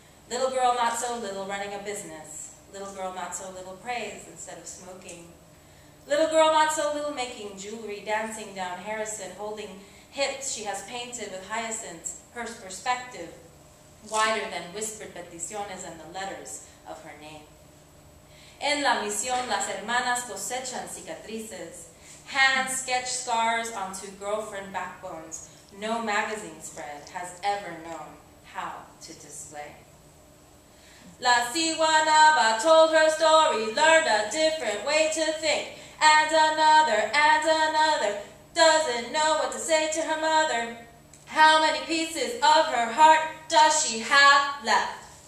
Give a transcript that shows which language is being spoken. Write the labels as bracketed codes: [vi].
[en] Little girl not so little running a business. Little girl not so little prays instead of smoking. Little girl not so little making jewelry, dancing down Harrison, holding hips she has painted with hyacinths, her perspective wider than whispered peticiones and the letters of her name. [es] En la misión, las hermanas cosechan cicatrices. [en] Hands sketch scars onto girlfriend backbones. No magazine spread has ever known how to display. La Ciguanaba told her story, learned a different way to think. And another, doesn't know what to say to her mother. How many pieces of her heart does she have left?